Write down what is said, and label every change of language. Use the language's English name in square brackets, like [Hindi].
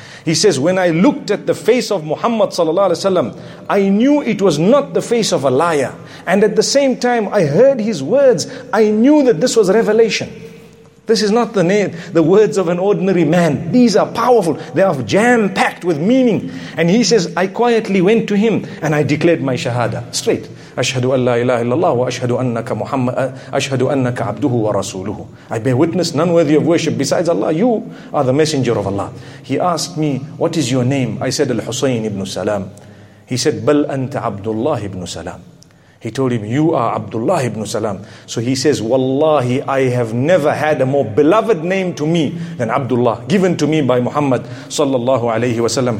[English] He says, when I looked at the face of Muhammad sallallahu alaihi wasallam, I knew it was not the face of a liar. And at the same time, I heard his words. I knew that this was revelation. This is not the words of an ordinary man. These are powerful. They are jam-packed with meaning. And he says, I quietly went to him and I declared my shahada straight. [Arabic] أشهد أن لا إله إلا الله وأشهد أنك محمد أشهد أنك عبده ورسوله. [English] I bear witness, none worthy of worship besides Allah. You are the messenger of Allah. He asked me, what is your name? I said, Al-Husayn ibn Salam. He said, [Arabic] بل أنت عبد الله [English] ibn Salam. He told him, you are Abdullah ibn Salam. So he says, Wallahi, I have never had a more beloved name to me than Abdullah, given to me by Muhammad sallallahu alayhi wa sallam.